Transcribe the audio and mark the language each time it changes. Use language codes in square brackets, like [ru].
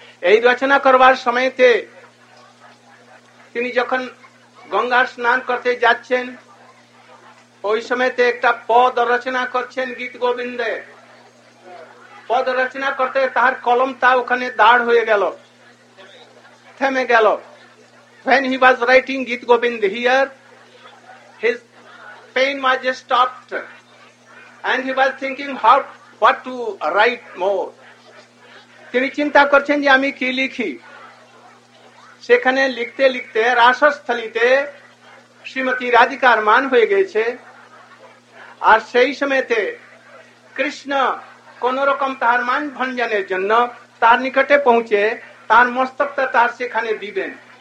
[bn] এই রচনা করবার সময়তে তিনি যখন গঙ্গার স্নান করতে যাচ্ছেন ওই সময়তে একটা পদ রচনা করছেন গীত গোবিন্দে, পদ রচনা করতে তাহার কলম তা ওখানে দাঁড় হয়ে গেল, থেমে গেল। [en] When he was writing Git Gobind here, his pen was just stopped and he was thinking how, what to write more. [bn] তিনি চিন্তা করছেন যে আমি কি লিখি। সেখানে লিখতে লিখতে রাসস্থলিতে শ্রীমতী রাধিকার মান হয়ে গেছে, আর সেই সময়তে কৃষ্ণ কোন রকম তাহার মান ভঞ্জনের জন্য তার নিকটে পৌঁছে তার মস্তকটা তার সেখানে দিবেন।